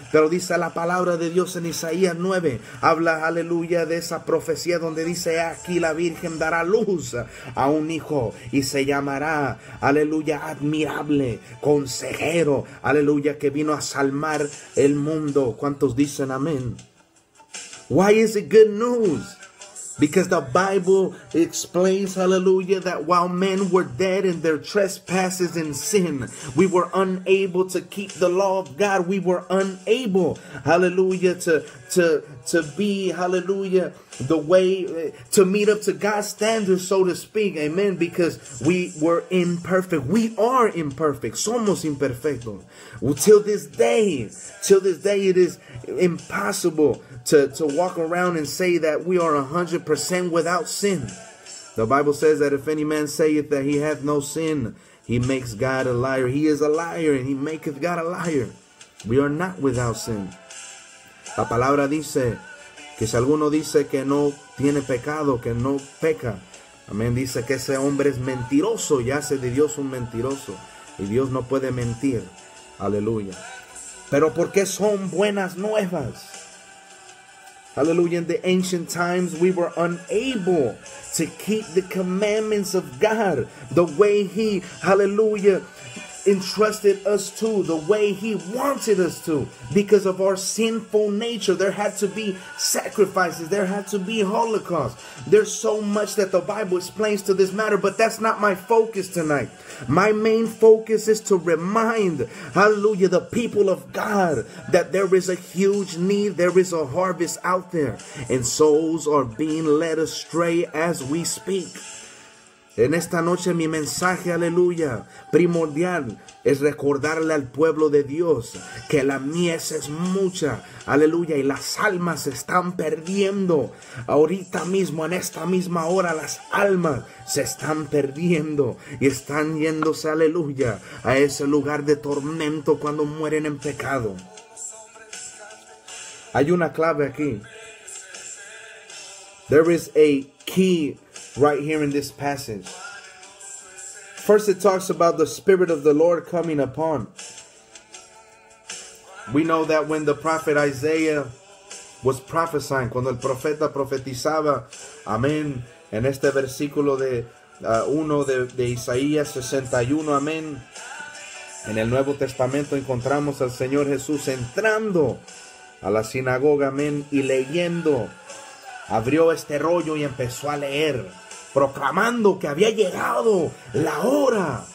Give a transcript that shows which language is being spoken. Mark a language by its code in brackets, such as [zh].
[es] Pero dice la palabra de Dios en Isaías 9. Habla, aleluya, de esa profecía donde dice: aquí la Virgen dará luz a un hijo y se llamará, aleluya, admirable, consejero, aleluya, que vino a salvar el mundo. ¿Cuántos dicen amén? [en] Why is it good news? Because the Bible explains, hallelujah, that while men were dead in their trespasses and sin, we were unable to keep the law of God. We were unable, hallelujah, to be, hallelujah, the way to meet up to God's standards, so to speak. Amen. Because we were imperfect. We are imperfect. [es] Somos imperfectos. [en] Till this day, it is impossible to walk around and say that we are 100% without sin. The Bible says that if any man saith that he hath no sin, he makes God a liar. He is a liar and he maketh God a liar. We are not without sin. [es] La palabra dice que si alguno dice que no tiene pecado, que no peca. Amén. Dice que ese hombre es mentiroso y hace de Dios un mentiroso. Y Dios no puede mentir. Aleluya. Pero ¿por qué son buenas nuevas? Aleluya. [en] In the ancient times, we were unable to keep the commandments of God the way he, hallelujah, entrusted us to, the way he wanted us to, because of our sinful nature. There had to be sacrifices. There had to be holocaust. There's so much that the Bible explains to this matter, but that's not my focus tonight. My main focus is to remind, hallelujah, the people of God that there is a huge need. There is a harvest out there, and souls are being led astray as we speak. [es] En esta noche mi mensaje, aleluya, primordial, es recordarle al pueblo de Dios que la mies es mucha, aleluya, y las almas se están perdiendo. Ahorita mismo, en esta misma hora, las almas se están perdiendo y están yéndose, aleluya, a ese lugar de tormento cuando mueren en pecado. Hay una clave aquí. [en] There is a key right here in this passage. First, it talks about the Spirit of the Lord coming upon. We know that when the prophet Isaiah was prophesying, [es] cuando el profeta profetizaba, amén, en este versículo de 1 de Isaías 61, amén, en el Nuevo Testamento encontramos al Señor Jesús entrando a la sinagoga, amén, y leyendo, abrió este rollo y empezó a leer, proclamando que había llegado la hora.